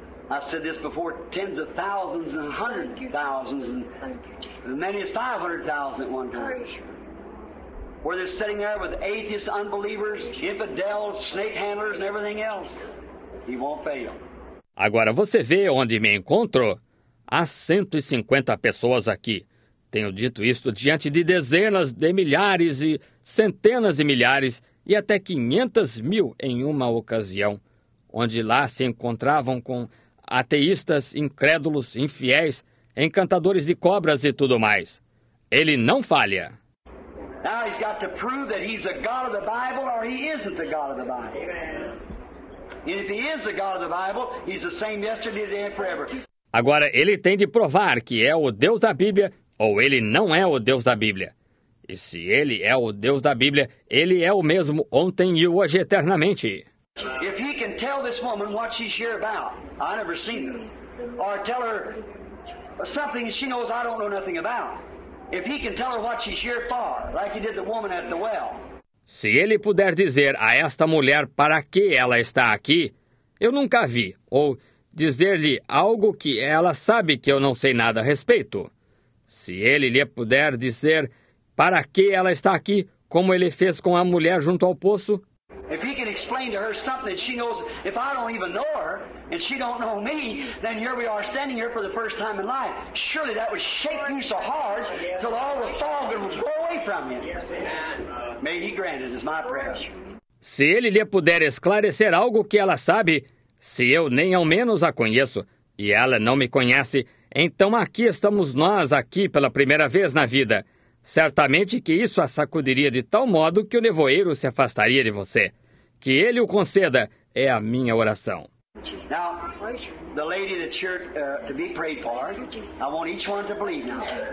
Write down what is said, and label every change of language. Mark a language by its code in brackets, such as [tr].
[en] I said this before, tens of thousands and hundreds of thousands and as many as 500,000 at one time. Where they're sitting there with atheists, unbelievers, infidels, snake handlers, and everything else, he won't fail. [pt] Agora você vê onde me encontro? Há 150 pessoas aqui. Tenho dito isto diante de dezenas de milhares e centenas de milhares e até 500 mil em uma ocasião, onde lá se encontravam com ateístas, incrédulos, infiéis, encantadores de cobras e tudo mais. Ele não falha. [en] Now he's got to prove that he's a God of the Bible or he isn't the God of the Bible. Amen. And if he is the God of the Bible, he's the same yesterday, today and forever. [pt] Agora ele tem de provar que é o Deus da Bíblia ou ele não é o Deus da Bíblia. E se ele é o Deus da Bíblia, ele é o mesmo ontem e hoje eternamente. [en] If he can tell this woman what she's here about, I never seen her, or tell her something she knows I don't know nothing about. If he can tell her what she's here for, like he did the woman at the well. [pt] Se ele puder dizer a esta mulher para que ela está aqui, eu nunca a vi, ou dizer-lhe algo que ela sabe que eu não sei nada a respeito. Se ele lhe puder dizer para que ela está aqui, como ele fez com a mulher junto ao poço? [en] If he can explain to her something that she knows, if I don't even know her, and she don't know me, then here we are standing here for the first time in life. Surely that would shake you so hard till all the fog would go away from you. May he grant it, is my prayer. [pt] Se ele lhe puder esclarecer algo que ela sabe, se eu nem ao menos a conheço, e ela não me conhece, então aqui estamos nós aqui pela primeira vez na vida. Certamente que isso a sacudiria de tal modo que o nevoeiro se afastaria de você. Que ele o conceda, é a minha oração. [en] Now, the lady that's here to be prayed for, I want each one to believe now.